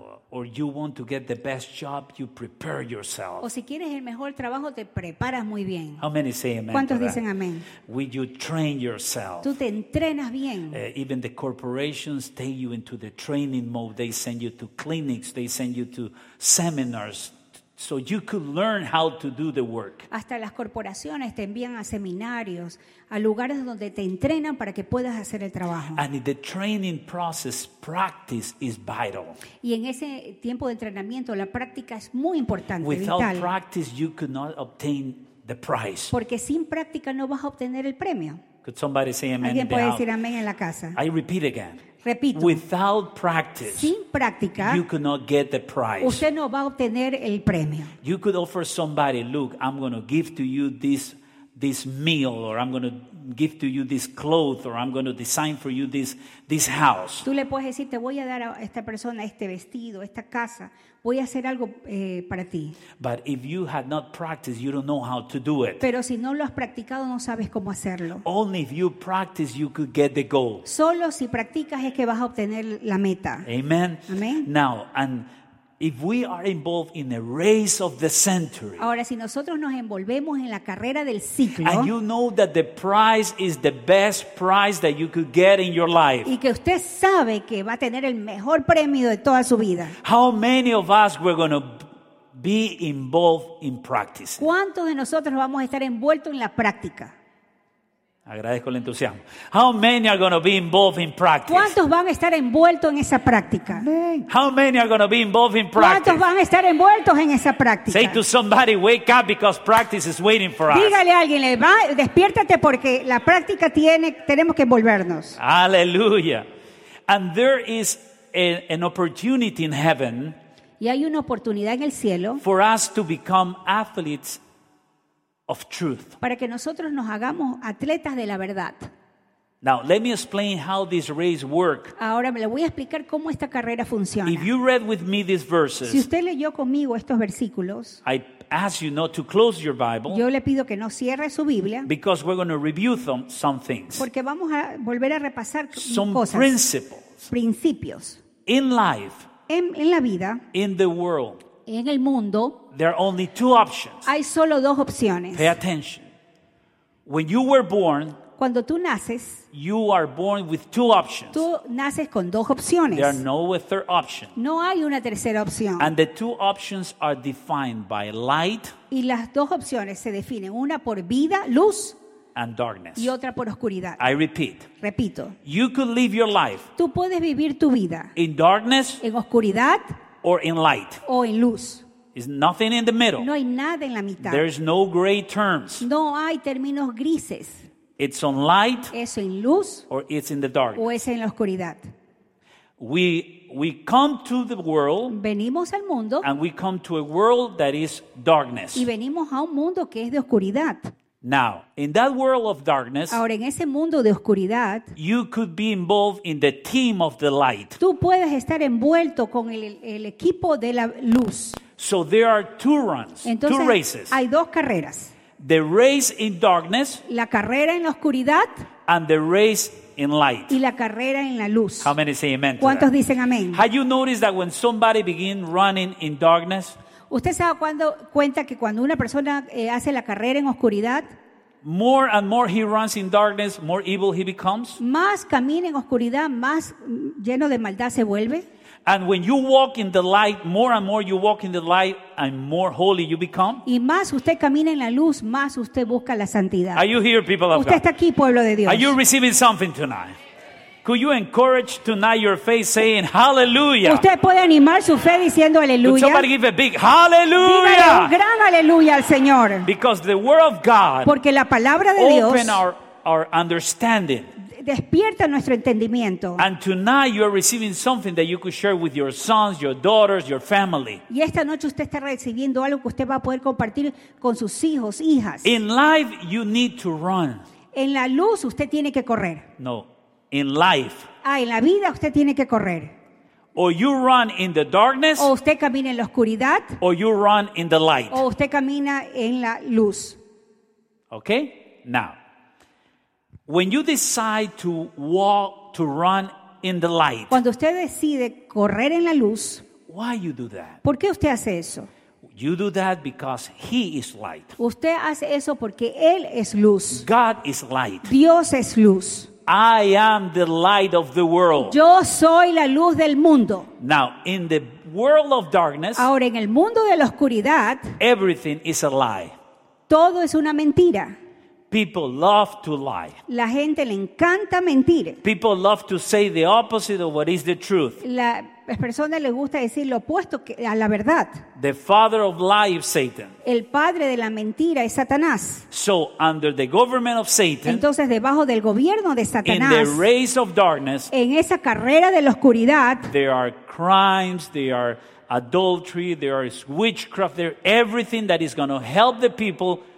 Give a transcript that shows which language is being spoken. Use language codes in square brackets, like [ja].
[en] Or you want to get the best job, you prepare yourself. [es] O si quieres el mejor trabajo, te preparas muy bien. [en] How many say amen? [es] ¿Cuántos dicen amén? [en] Will you train yourself? [es] Tú te entrenas bien. [en] Even the corporations take you into the training mode. They send you to clinics. They send you to seminars. So you could learn how to do the work. [es] Hasta las corporaciones te envían a seminarios, a lugares donde te entrenan para que puedas hacer el trabajo. [en] And in the training process, practice is vital. [es] Y en ese tiempo de entrenamiento, la práctica es muy importante, [en] Without vital. Practice, you could not obtain the prize. [es] Porque sin práctica no vas a obtener el premio. [en] Could somebody say amen? [es] ¿Alguien puede decir amén en la casa? [en] I repeat again. [es] Repito, [en] without practice, [es] sin práctica, [en] you could not get the prize. [es] Usted no va a obtener el premio. [en] You could offer somebody, look, I'm going to give to you this meal, or I'm going to give to you this cloth, or I'm going to design for you this house. [es] Tú le puedes decir, te voy a dar a esta persona este vestido, esta casa. Voy a hacer algo para ti. [en] But if you had not practiced, you don't know how to do it. [es] Pero si no lo has practicado, no sabes cómo hacerlo. [en] Only if you practice, you could get the goal. [es] Solo si practicas es que vas a obtener la meta. Amen. Amen. [en] Now, and if we are involved in the race of the century. [es] Ahora si nosotros nos envolvemos en la carrera del ciclo. [en] And you know that the prize is the best prize that you could get in your life. [es] Y que usted sabe que va a tener el mejor premio de toda su vida. [en] How many of us were going to be involved in practice? [es] ¿Cuántos de nosotros vamos a estar envueltos en la práctica? Agradezco el entusiasmo. [en] How many are going to be involved in practice? [es] ¿Cuántos van a estar envueltos en esa práctica? [en] How many are going to be involved in practice? [es] ¿Cuántos van a estar envueltos en esa práctica? [en] Say to somebody, wake up because practice is waiting for [es] Dígale [en] us. [es] Dígale a alguien, despiértate porque la práctica tenemos que envolvernos. Aleluya. [en] And there is an opportunity in heaven. [es] Y hay una oportunidad en el cielo. [en] For us to become athletes of truth. [es] Para que nosotros nos hagamos atletas de la verdad. [en] Now, let me explain how this race works. [es] Ahora me lo voy a explicar cómo esta carrera funciona. [en] If you read with me these verses, [es] si usted leyó conmigo estos versículos, [en] I ask you not to close your Bible. [es] Yo le pido que no cierre su Biblia. [en] Because we're going to review some things. [es] Porque vamos a volver a repasar [en] some [es] cosas. Principios. [en] In life. [es] En la vida. [en] In the world. [es] En el mundo. [en] There are only two options. [es] Hay solo dos opciones. [en] Pay attention. When you were born, [es] cuando tú naces, [en] you are born with two options. [es] Tú naces con dos opciones. [en] There are no a third option. [es] No hay una tercera opción. [en] And the two options are defined by light. [es] Y las dos opciones se definen, una por vida, luz, [en] and darkness. [es] Y otra por oscuridad. [en] I repeat. [es] Repito. [en] You could live your life. [es] Tú puedes vivir tu vida. [en] In darkness. [es] En oscuridad. [en] Or in light. [es] O en luz. [en] There's nothing in the middle. [es] No hay nada en la mitad. [en] There's no gray terms. [es] No hay términos grises. [en] It's on light. [es] Es en luz. [en] Or it's in the dark. [es] O es en la oscuridad. [en] We come to the world. [es] Venimos al mundo. [en] And we come to a world that is darkness. [es] Y venimos a un mundo que es de oscuridad. [en] Now, in that world of darkness, [es] ahora en ese mundo de oscuridad, [en] you could be involved in the team of the light. [es] Tú puedes estar envuelto con el equipo de la luz. [en] So there are two runs, [es] entonces, [en] two races. [es] Hay dos carreras. [en] The race in darkness, [es] la carrera en la oscuridad, [en] and the race in light. [es] Y la carrera en la luz. [en] How many say amen? [es] ¿Cuántos dicen amén? [en] Have you noticed that when somebody begins running in darkness? [es] ¿Usted se da cuenta que cuando una persona hace la carrera en oscuridad, [en] more and more he runs in darkness, more evil he becomes? [es] Más camina en oscuridad, más lleno de maldad se vuelve. [en] And when you walk in the light, more and more you walk in the light, and more holy you become. [es] Y más usted camina en la luz, más usted busca la santidad. [en] Are you here, people of [es] God? ¿Usted está aquí, pueblo de Dios? [en] Are you receiving something tonight? Could you encourage tonight your faith saying hallelujah? [es] Usted puede animar su fe diciendo aleluya. [en] Could somebody give a big hallelujah. [es] Dígale un gran aleluya al Señor. [en] Because the word of God. [es] Porque la palabra de Dios. [en] Open our understanding. [es] Despierta nuestro entendimiento. [en] And tonight you are receiving something that you could share with your sons, your daughters, your family. [es] Y esta noche usted está recibiendo algo que usted va a poder compartir con sus hijos, hijas. [en] In life you need to run. [es] En la luz usted tiene que correr. [en] No. In life. [es] Ah, en la vida usted tiene que correr. [en] Or you run in the darkness. [es] O usted camina en la oscuridad. [en] Or you run in the light. [es] O usted camina en la luz. [en] Okay? Now. When you decide to walk, to run in the light. [es] Cuando usted decide correr en la luz. [en] Why you do that? [es] ¿Por qué usted hace eso? [en] You do that because he is light. [es] Usted hace eso porque él es luz. [en] God is light. [es] Dios es luz. [en] I am the light of the world. [es] Yo soy la luz del mundo. [en] Now, in the world of darkness. [es] Ahora en el mundo de la oscuridad. [en] Everything is a lie. [es] Todo es una mentira. [en] People love to lie. [es] La gente le encanta mentir. [en] People love to say the opposite of what is the truth. [es] La persona le gusta decir lo opuesto a la verdad. [en] The father of lies, Satan. [es] El padre de la mentira es Satanás. [en] So under the government of Satan. [es] Entonces debajo del gobierno de Satanás. [en] In the race of darkness. [es] En esa carrera de la oscuridad. [en] There are crimes. There are adultery. There is witchcraft. There everything that is going to help the people.